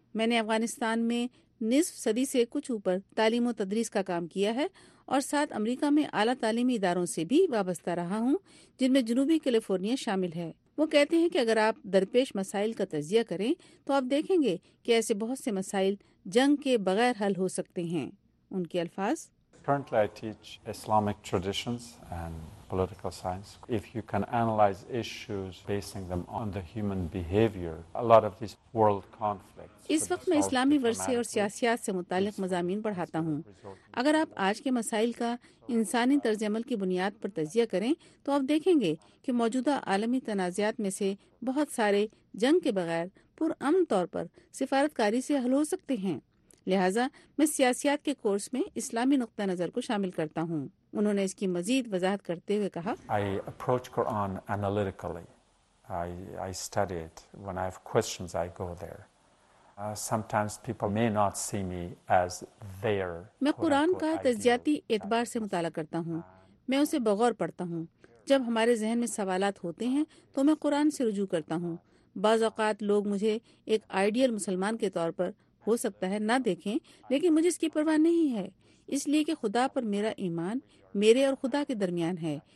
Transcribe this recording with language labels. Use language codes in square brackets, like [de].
[ur] میں نے افغانستان میں نصف صدی سے کچھ اوپر تعلیم و تدریس کا کام کیا ہے, اور ساتھ امریکہ میں اعلیٰ تعلیمی اداروں سے بھی وابستہ رہا ہوں جن میں جنوبی کیلیفورنیا شامل ہے. وہ کہتے ہیں کہ اگر آپ درپیش مسائل کا تجزیہ کریں تو آپ دیکھیں گے کہ ایسے بہت سے مسائل جنگ کے بغیر حل ہو سکتے ہیں. ان کے الفاظ, [en] Currently I teach Islamic traditions and political science. If you can analyze issues basing them on the human behavior, a lot of these world conflicts. [ur] اس وقت میں اسلامی ورثے اور سیاسیات سے متعلق مضامین پڑھاتا ہوں. اگر آپ آج کے مسائل کا انسانی طرز عمل کی بنیاد پر تجزیہ کریں تو آپ دیکھیں گے کہ موجودہ عالمی تنازعات میں سے بہت سارے جنگ کے بغیر پرامن طور پر سفارتکاری سے حل ہو سکتے ہیں. لہٰذا میں سیاسیات کے کورس میں اسلامی نقطہ نظر کو شامل کرتا ہوں. انہوں نے اس کی مزید وضاحت کرتے ہوئے کہا, [en] I approach Quran analytically. I study it. When I have questions, I go there. Sometimes people may not see me as their. [ur] میں قرآن کا تجزیاتی اعتبار سے مطالعہ کرتا ہوں. میں اسے بغور پڑھتا ہوں. جب ہمارے ذہن میں سوالات ہوتے ہیں تو میں قرآن سے رجوع کرتا ہوں. بعض اوقات لوگ مجھے ایک آئیڈیل مسلمان کے طور پر ہو سکتا ہے نہ دیکھیں, لیکن مجھے اس کی پرواہ نہیں ہے, اس لیے کہ خدا پر میرا ایمان میرے اور خدا کے درمیان ہے.